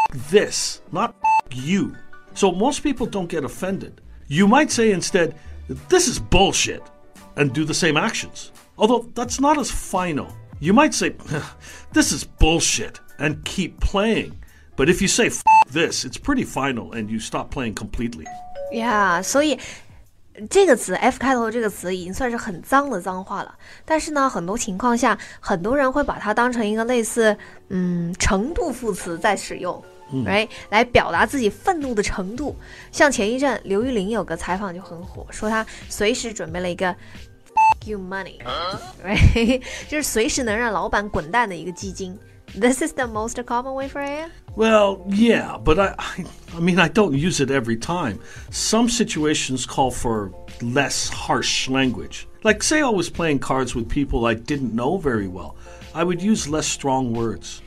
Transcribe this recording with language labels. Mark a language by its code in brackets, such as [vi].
[en] This, not you. So most people don't get offended. You might say instead, this is bullshit, and do the same actions. Although that's not as final. You might say, this is bullshit, and keep playing. But if you say, this, it's pretty final, and you stop playing completely. [zh] Yeah, 所以这个词 F 开头这个词已经算是很脏的脏话了。但是呢，很多情况下，很多人会把它当成一个类似程度副词在使用、right? 来表达自己愤怒的程度。像前一阵刘玉玲有个采访就很火，说她随时准备了一个 F you money, right? 就是随时能让老板滚蛋的一个基金。 [en] This is the most common way for it? Well, yeah, but I mean, I don't use it every time. Some situations call for less harsh language. Like, say I was playing cards with people I didn't know very well. I would use less strong words.